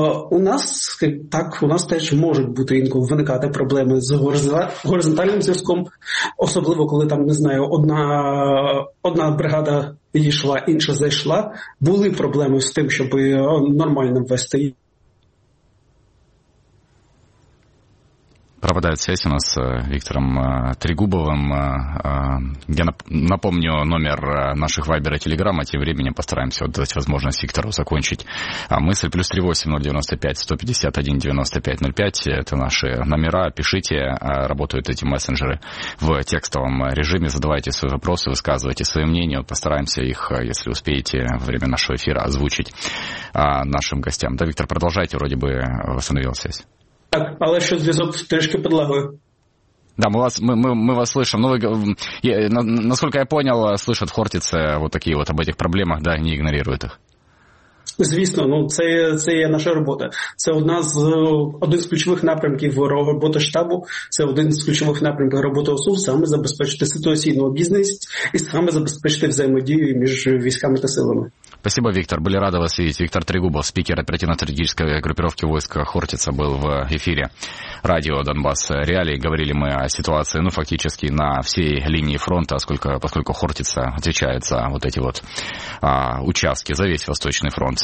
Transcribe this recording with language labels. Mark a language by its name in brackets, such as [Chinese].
[Ukrainian] У нас так, у нас теж можуть бути інколи виникати проблеми з горизонтальним зв'язком, особливо коли там, не знаю, одна бригада йшла, інша зайшла. Були проблеми з тим, щоб нормально ввести. [Russian] Пропадает связь у нас с Виктором Трегубовым. Я напомню номер наших Вайбера и Телеграма. Тем временем постараемся дать возможность Виктору закончить мысль. Плюс 38-095-151-95-05. Это наши номера. Пишите, работают эти мессенджеры в текстовом режиме. Задавайте свои вопросы, высказывайте свои мнения. Постараемся их, если успеете, во время нашего эфира озвучить нашим гостям. Да, Виктор, продолжайте. Вроде бы восстановил связь. [Ukrainian] Так, але що зв'язок трішки підлагує. [Russian] Да, мы вас слышим. Ну, насколько я понял, слышат хортицы вот такие вот об этих проблемах, да, не игнорируют их. [Ukrainian] Звісно, ну це є наша робота. Це один з ключових напрямків роботи штабу, це один з ключових напрямків роботи ОСУ, саме забезпечити ситуаційну обізнаність і саме забезпечити взаємодію між військами та силами. [Russian] Спасибо, Виктор. Были рады вас видеть. Виктор Трегубов, спикер оперативно-стратегической группировки войск «Хортица», был в эфире радио «Донбасс Реалии». Говорили мы о ситуации, ну, фактически, на всей линии фронта, поскольку «Хортица» отвечает за вот эти вот участки, за весь Восточный фронт.